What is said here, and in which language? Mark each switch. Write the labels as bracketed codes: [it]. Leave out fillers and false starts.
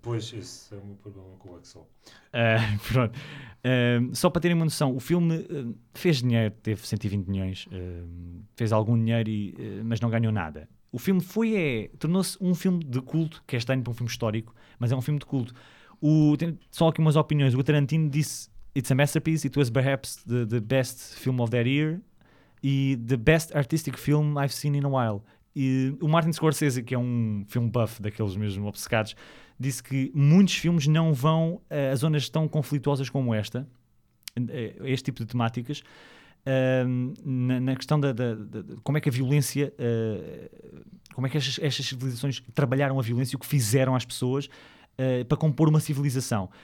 [pt] Pois, esse é o meu problema com o Axel. Pronto. Só para terem uma noção, o filme fez dinheiro, teve 120 milhões, fez algum dinheiro, mas não ganhou nada. O filme tornou-se um filme de culto, que é estranho para um filme histórico, mas é um filme de culto. Só aqui umas opiniões. O Tarantino disse: [en] "It's a masterpiece, it was perhaps the best film of that year. E the best artistic film I've seen in a while." [pt] E o Martin Scorsese, que é um film buff daqueles mesmo obcecados, disse que muitos filmes não vão a zonas tão conflituosas como esta, este tipo de temáticas, na questão da como é que a violência, como é que estas civilizações trabalharam a violência, o que fizeram às pessoas para compor uma civilização.